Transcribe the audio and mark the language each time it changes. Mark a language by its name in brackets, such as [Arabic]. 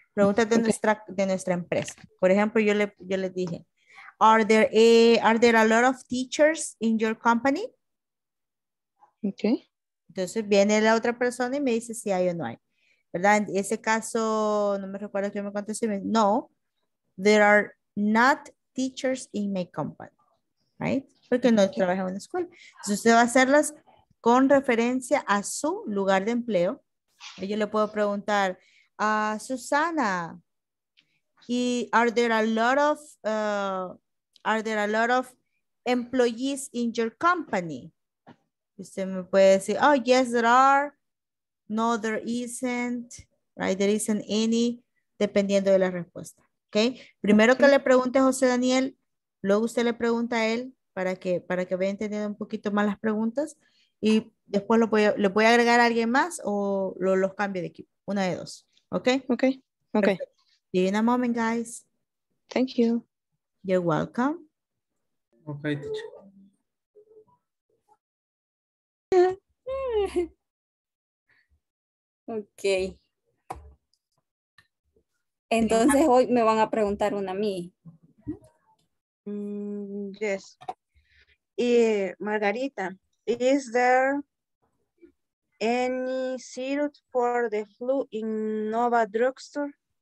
[Spanish] Preguntas de, okay. de nuestra empresa. Por ejemplo, yo le dije, [English] are there a lot of teachers in your company? Ok. [Spanish] Entonces viene la otra persona y me dice si hay o no hay, ¿verdad? En ese caso, no me recuerdo qué me contestó. [English] No, there are not teachers in my company, right? [Spanish] Porque no trabaja en una escuela. Entonces usted va a hacerlas con referencia a su lugar de empleo. Y yo le puedo preguntar, [English] Susana, are there a lot of employees in your company? [Spanish] Usted me puede decir, [English] oh, yes, there are. No, there isn't. right? There isn't any, [Spanish] dependiendo de la respuesta, [English] okay? [Spanish] Primero okay. que le pregunte a José Daniel, luego usted le pregunta a él para que vea entendiendo un poquito más las preguntas y después lo voy a agregar a alguien más o lo, los cambio de equipo, una de dos, okay? [English] Okay, okay. Perfect. See you in a moment, guys. Thank you. You're welcome. Okay, teacher. Okay. [Spanish] Entonces hoy me van a preguntar una a mí. [English] Yes. Margarita, is there any syrup for the flu in Nova Drugstore?